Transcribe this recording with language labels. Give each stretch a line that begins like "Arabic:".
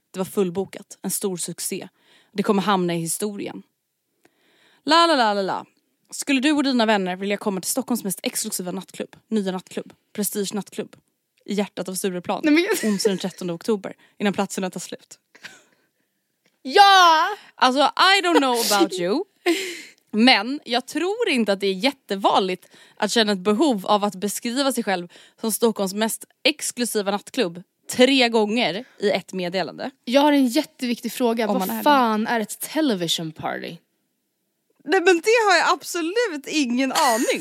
Swedish: Det var fullbokat, en stor succé. Det kommer hamna i historien. La la la la la. Skulle du och dina vänner vilja komma till Stockholms mest exklusiva nattklubb, nya nattklubb, Prestige nattklubb, i hjärtat av Stureplan, onsdag den 13 oktober, innan platserna tar slut? Ja!
English: Alltså, I don't know about you.
Swedish: Men jag tror inte att det är jättevanligt att känna ett behov av att beskriva sig själv som Stockholms mest exklusiva nattklubb 3 gånger i ett meddelande. Jag har en jätteviktig fråga. Vad fan är ett television party? Nej, men det har jag absolut ingen aning om.